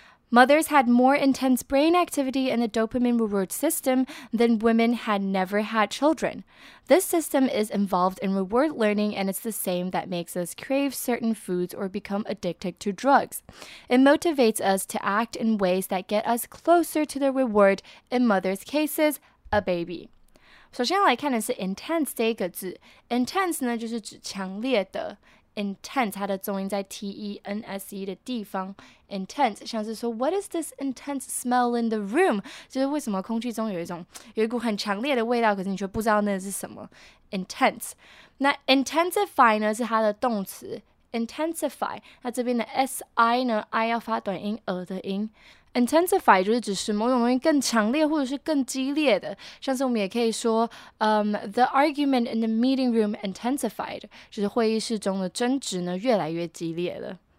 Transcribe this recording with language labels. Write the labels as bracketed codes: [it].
[en] Mothers had more intense brain activity in the dopamine reward system than women had never had children. This system is involved in reward learning and it's the same that makes us crave certain foods or become addicted to drugs. It motivates us to act in ways that get us closer to the reward, in mothers' cases, a baby. [zh] 首先来看的是 intense 这个字 ，intense 呢就是指强烈的。 Intense, 它的重音在 T-E-N-S-E 的地方 Intense, 像是说 [en] What is this intense smell in the room? [zh] 就是为什么空气中有一股很强烈的味道可是你却不知道那是什么 Intense 那 intensify 呢是它的动词 Intensify 那这边的 S-I 呢 I 要发短音呃的音 Intensify 就是指使某种东西更强烈或者是更激烈的像是我们也可以说、 [en] The argument in the meeting room intensified [zh] 就是会议室中的争执呢越来越激烈了